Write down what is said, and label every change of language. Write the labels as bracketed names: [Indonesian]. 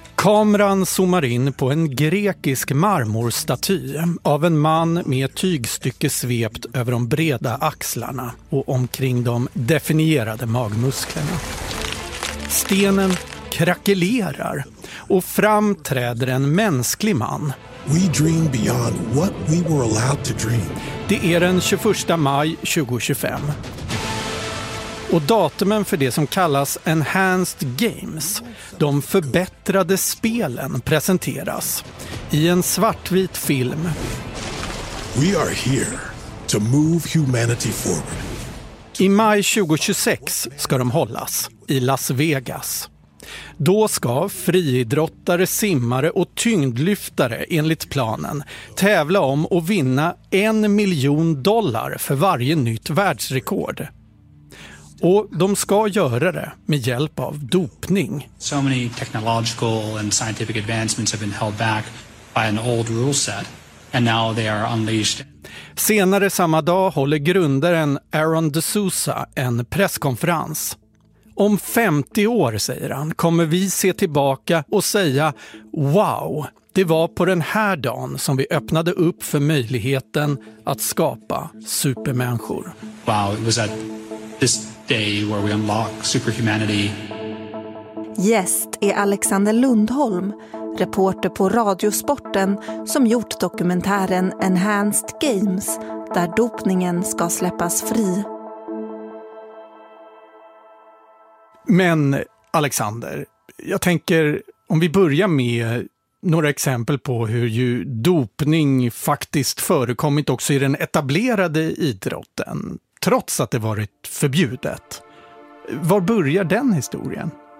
[Swedish] Kameran zoomar in på en grekisk marmorstaty av en man med tygstycke svept över de breda axlarna och omkring de definierade magmusklerna. Stenen krackelerar och framträder en mänsklig man. [English] We dream beyond what we were allowed to dream. [Swedish] Det är den 21 maj 2025. Och datumen för det som kallas Enhanced Games, de förbättrade spelen, presenteras i en svartvit film. [English] We are here to move humanity forward. [Swedish] I maj 2026 ska de hållas i Las Vegas. Då ska friidrottare, simmare och tyngdlyftare enligt planen tävla om och vinna $1 miljon för varje nytt världsrekord. Och de ska göra det med hjälp av dopning. [English] So many technological and scientific advancements have been held back by an old rule set and now they are unleashed. [Swedish] Senare samma dag håller grundaren Aaron D'Souza en presskonferens. Om 50 år, säger han, kommer vi se tillbaka och säga wow, det var på den här dagen som vi öppnade upp för möjligheten att skapa supermänniskor. [English] Wow, it was at this day where we unlock superhumanity. [Swedish] Gäst är Alexander Lundholm, reporter på Radiosporten som gjort dokumentären Enhanced Games där dopningen ska släppas fri. Men Alexander, jag tänker om vi börjar med några exempel på hur ju dopning faktiskt förekommit också i den etablerade idrotten, trots att det varit förbjudet. Var börjar den historien?